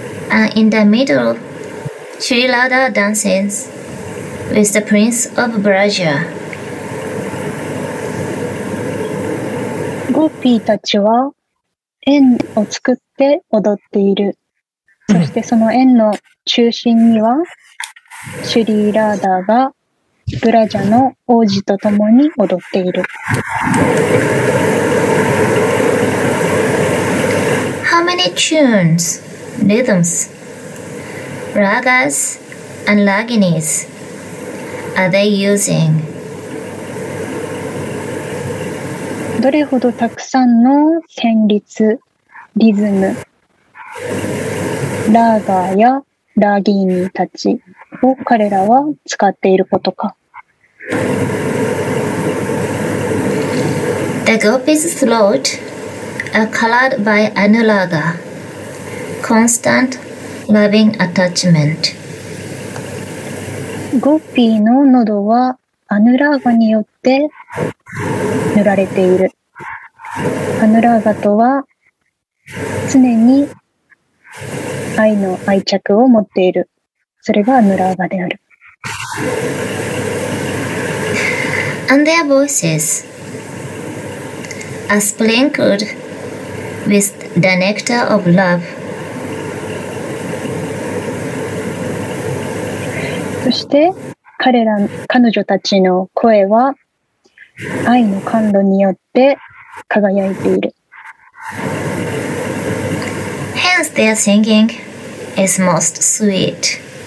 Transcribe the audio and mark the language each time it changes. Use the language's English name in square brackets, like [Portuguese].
[English] And in the middle, Sri Radha dances with the Prince of Braja. [Japanese] ゴッピーたちは円を作って踊っている。そしてその円の中心にはシュリー・ラーダーがブラジャの王子と共に踊っている。 [English] How many tunes, rhythms, ragas and raginis are they using? [Japanese] どれほどたくさんの旋律、リズム、ラーガーやラーギーニーたちを彼らは使っていることか。 [English] The gopis' throat are colored by anuraga, constant loving attachment. [Japanese] ゴピーの喉はアヌラーガによって塗られている。アヌラーガとは常に愛の愛着を持っている。それがアヌラーガである。 [English] And their voices are sprinkled with the nectar of love. [Japanese] そして彼ら、彼女たちの声は愛の甘露によって輝いている。 [English] Hence their singing is most sweet.